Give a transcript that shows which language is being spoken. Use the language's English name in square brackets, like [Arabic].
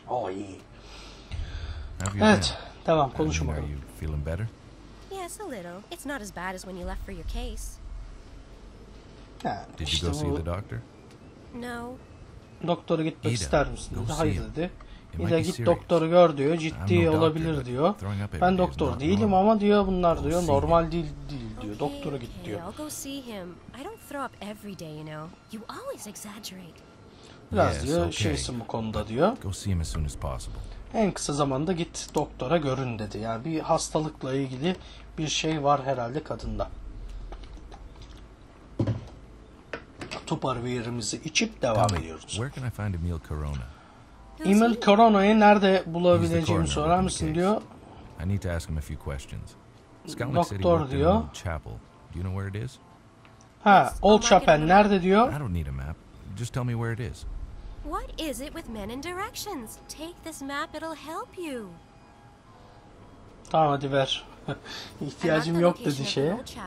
[Turkish] İyi. Evet, tamam konuşun bakalım. [English] Yes, a little. It's not as bad as when you left for your case. Did you go see the doctor? No. [Turkish] Doktora gitmek ister misin? Hayır dedi. İda git doktoru gör diyor. Ciddi olabilir diyor. Ben doktor değilim ama diyor bunlar diyor normal değil diyor. Doktora git diyor. [English] I'll go see him. I don't throw up every day, you know. You always exaggerate. [Turkish] Biraz diyor şeysin bu konuda diyor. [English] Go see him as soon as possible. [Turkish] En kısa zamanda git doktora görün dedi. Yani bir hastalıkla ilgili bir şey var herhalde kadında. Tupar birimizi içip devam ediyoruz. [English] Where can I find Emil Corona? [Turkish] Emil Corona'yı nerede bulabileceğimi sorar mısın diyor. [English] I need to ask him a few questions. [Turkish] Doktor diyor. [English] Chapel. Do you know where it is? [Turkish] Ha, Old Chapel nerede diyor? [English] I don't need a map. Just tell me where it is. What is it with men and directions? Take this map, it'll help you. [Turkish] Tamam hadi ver. İhtiyacım yok dedi şeye.